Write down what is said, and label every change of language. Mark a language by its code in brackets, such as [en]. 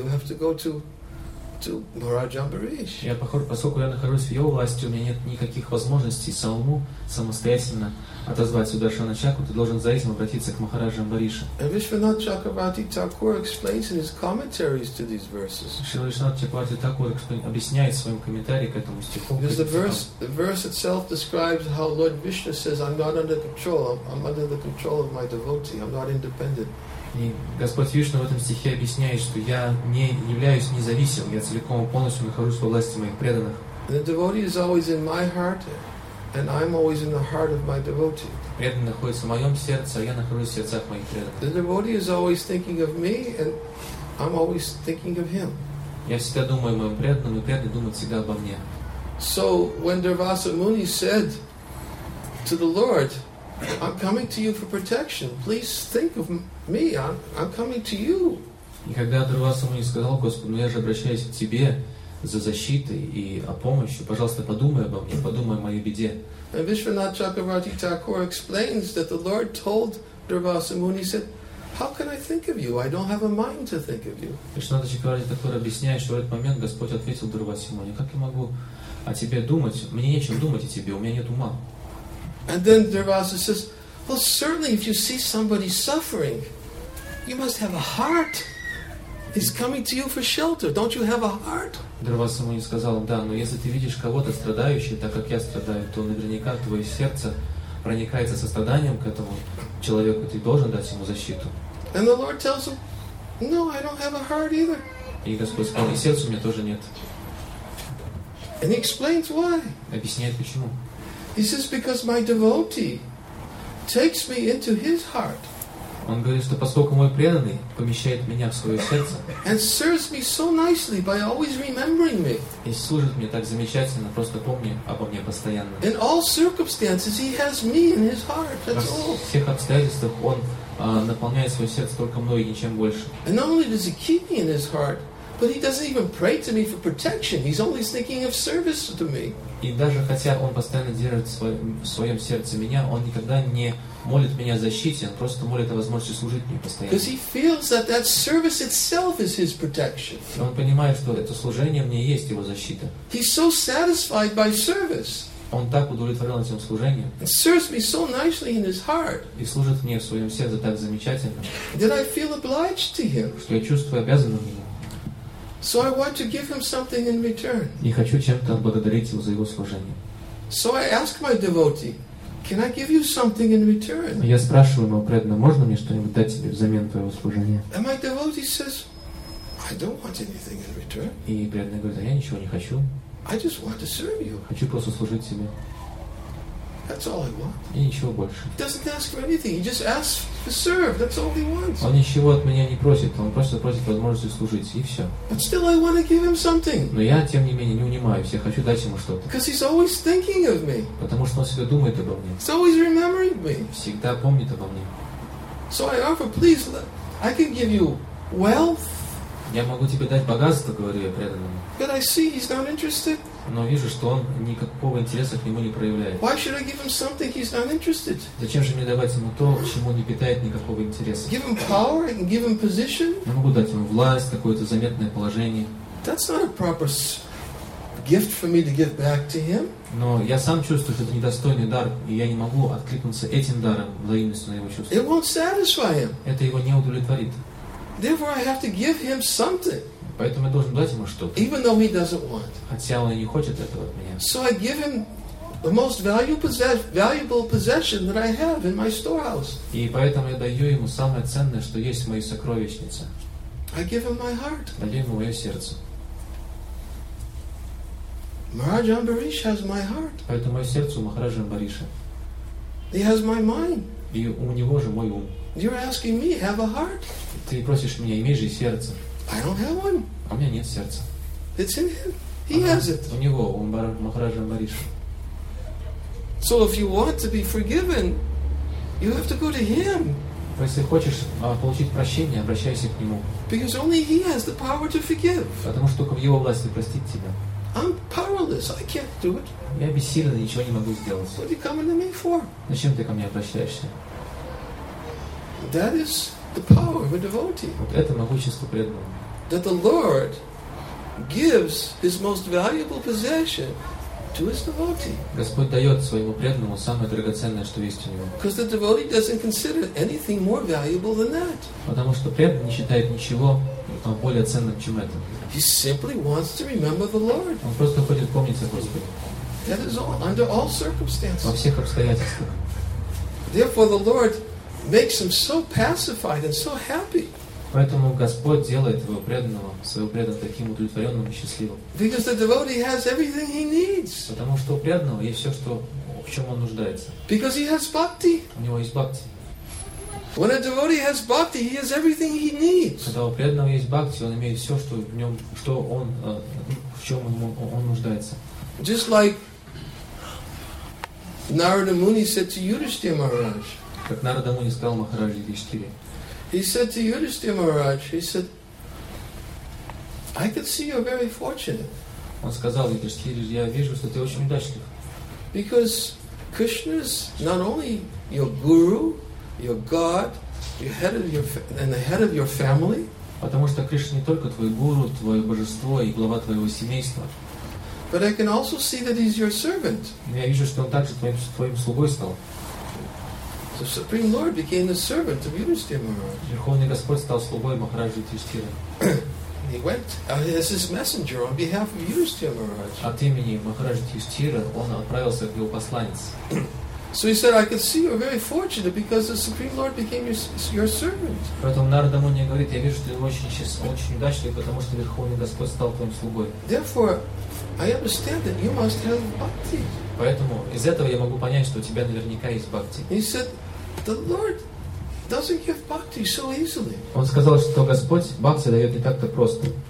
[en] You have to go to Maharaj Ambarish. [ru] Я похож, поскольку я нахожусь в его власти, у меня нет никаких возможностей самостоятельно отозвать Сударшана Чакру, ты должен за этим обратиться к Махараджу Амбаришу. [en] Вишванатха Чакраварти Такур explains in his commentaries to these verses. [ru] Шрила Вишванатха Чакраварти Такур объясняет в своем комментарии к этому стиху. [en] Because the verse itself describes how Lord Vishnu says, "I'm not under control. I'm under the control of my devotee. I'm not independent." [ru] И Господь Вишну в этом стихе объясняет, что я не являюсь независимым, я целиком и полностью нахожусь во власти моих преданных. [en] The devotee is always in my heart, and I'm always in the heart of my devotee. [ru] Преданный находится в моем сердце, а я нахожусь в сердцах моих преданных. [en] The devotee is always thinking of me, and I'm always thinking of him. [ru] Я всегда думаю о моем преданном, и преданный думает всегда обо мне. [en] So when Durvasa Muni said to the Lord, I'm coming to you for protection. Please think of me. I'm coming to you. [ru] И когда Дурваса Муни сказал Господу, я же обращаюсь к тебе за защитой и о помощью. Пожалуйста, подумай обо мне, подумай о моей беде. [en] And Vishwanath Chakravarti Thakur explains that the Lord told Durvasa Muni, said, how can I think of you? I don't have a mind to think of you. [ru] Vishwanath Chakravarti Thakur объясняет, что в этот момент Господь ответил Дурвасе Муни, как я могу о тебе думать? Мне нечем думать о тебе, у меня нет ума. [en] And then Durvasa says, well, certainly if you see somebody suffering, you must have a heart. He's coming to you for shelter. Don't you have a heart? [ru] Дурваса Муни сказал, да, но если ты видишь кого-то страдающего, так как я страдаю, то наверняка твое сердце проникается состраданием к этому человеку, ты должен дать ему защиту. [en] And the Lord tells him, no, I don't have a heart either. [ru] И Господь сказал, и сердца у меня тоже нет. [en] And he explains why. [ru] Объясняет почему. [en] He says, because my devotee takes me into his heart. [ru] Он говорит, что поскольку мой преданный помещает меня в свое сердце [en] and serves me so nicely by always remembering me. [ru] И служит мне так замечательно, просто помни обо мне постоянно. [en] In all circumstances, he has me in his heart, that's all. [ru] В всех обстоятельствах он наполняет свое сердце только мной и ничем больше. [en] And not only does he keep me in his heart, but he doesn't even pray to me for protection. He's only thinking of service to me. [ru] И даже хотя он постоянно держит в своем сердце меня, он никогда не молит меня о защите, он просто молит о возможности служить мне постоянно. [en] Because he feels that that service itself is his protection. [ru] И он понимает, что это служение мне есть его защита. [en] He's so satisfied by service. [ru] Он так удовлетворен этим служением. [en] It serves me so nicely in his heart. [ru] И служит мне в своем сердце так замечательно. [en] That I feel obliged to him. [ru] Что я чувствую обязанным ему. [en] So I want to give him something in return. [ru] И хочу чем-то отблагодарить его за его служение. [en] So I ask my devotee, can I give you something in return? [ru] Я спрашиваю моего преданного, можно мне что-нибудь дать тебе взамен твоего служения? [en] And my devotee says, I don't want anything in return. [ru] И преданный говорит, я ничего не хочу. [en] I just want to serve you. [ru] Хочу просто служить тебе. [en] That's all I want. [ru] И ничего больше. [en] He doesn't ask for anything. He just asks to serve. That's all he wants. [ru] Он ничего от меня не просит. Он просто просит возможности служить и все. [en] But still, I want to give him something. [ru] Но я тем не менее не унимаюсь. Я хочу дать ему что-то. [en] Because he's always thinking of me. [ru] Потому что он всегда думает обо мне. [en] He's always remembering me. [ru] Всегда помнит обо мне. [en] So I offer, please, I can give you wealth. [ru] Я могу тебе дать богатство, говорю я преданному. [en] But I see he's not interested. [ru] Но вижу, что он никакого интереса к нему не проявляет. [en] Why should I give him something he's not interested? [ru] Зачем же мне давать ему то, чему он не питает никакого интереса? [en] Give him power and give him position? [ru] Я могу дать ему власть, какое-то заметное положение. [en] That's not a proper gift for me to give back to him. [ru] Но я сам чувствую, что это недостойный дар, и я не могу откликнуться этим даром взаимностью на его чувства. [en] It won't satisfy him. [ru] Это его не удовлетворит. [en] Therefore, I have to give him something. [ru] Поэтому я должен дать ему что-то. [en] Even though he doesn't want. [ru] Хотя он и не хочет этого от меня. [en] So I give him the most valuable possession that I have in my storehouse. [ru] И поэтому я даю ему самое ценное, что есть в моей сокровищнице. [en] I give him my heart. [ru] Даю ему мое сердце. [en] Maharaj Ambarish has my heart. [ru] Поэтому мое сердце у Махараджа Амбариша. [en] He has my mind. [ru] И у него же мой ум. [en] You're asking me, have a heart. [ru] Ты просишь меня, имей же сердце. [en] I don't have one. [ru] У меня нет сердца. [en] It's in him. He has it. [ru] У него, у Махараджа Амбариша. [en] So if you want to be forgiven, you have to go to him. [ru] Если хочешь получить прощение, обращайся к нему. [en] Because only he has the power to forgive. [ru] Потому что только в его власти простить тебя. [en] I'm powerless. I can't do it. [ru] Я бессилен, ничего не могу сделать. [en] What are you coming to me for? [ru] Зачем ты ко мне обращаешься? [en] That is the power of a devotee. [ru] Вот это могущество преданного. [en] That the Lord gives his most valuable possession to his devotee. [ru] Господь дает своему преданному самое драгоценное, что есть у него. [en] Because the devotee doesn't consider anything more valuable than that. [ru] Потому что преданный не считает ничего более ценным, чем это. [en] He simply wants to remember the Lord. [ru] Он просто хочет помнить о Господе. [en] That is all, under all circumstances. [ru] Во всех обстоятельствах. [en] Therefore, the Lord makes him so pacified and so happy. [ru] Поэтому Господь делает его преданного, своего преданного таким удовлетворенным и счастливым. [en] Because the devotee has everything he needs. [ru] Потому что у преданного есть все, что в чем он нуждается? [en] Because he has bhakti. [ru] У него есть бхакти. [en] When a devotee has bhakti, he has everything he needs. [ru] Когда у преданного есть бхакти, он имеет все, что в нем, что он, в чем он нуждается. [en] Just like Narada Muni said to Yudhishthira Maharaj. [ru] Как Нарада Муни сказал Махараджи Юдхиштхире. [en] He said to Yudhishthira Maharaj, he said, I could see you're very fortunate. [ru] Он сказал Юдхиштхире, я вижу, что ты очень удачлив. [en] Because Krishna is not only your guru, your god, your head of your and the head of your family. [ru] Потому что Кришна не только твой гуру, твое божество и глава твоего семейства. [en] But I can also see that he's your servant. [ru] Я вижу, что он также твоим слугой стал. [en] The Supreme Lord became the servant of Yudhishthira Maharaj. [ru] Верховный Господь стал слугой Махараджи Юдхиштхиры. [en] He went as his messenger on behalf of Yudhishthira Maharaj. [ru] От имени Махараджи Юдхиштхиры он отправился к его посланец. [en] So he said, I could see you're very fortunate because the Supreme Lord became your servant. [ru] Поэтому Нарада Муни говорит, я вижу, что ты очень удачлив, потому что Верховный Господь стал твоим слугой. [en] Therefore, I understand that you must have bhakti. [ru] Поэтому из этого я могу понять, что у тебя наверняка есть бхакти. [en] He said, the Lord doesn't give bhakti so easily. [ru] Он сказал, что Господь бхакти дает не так-то просто.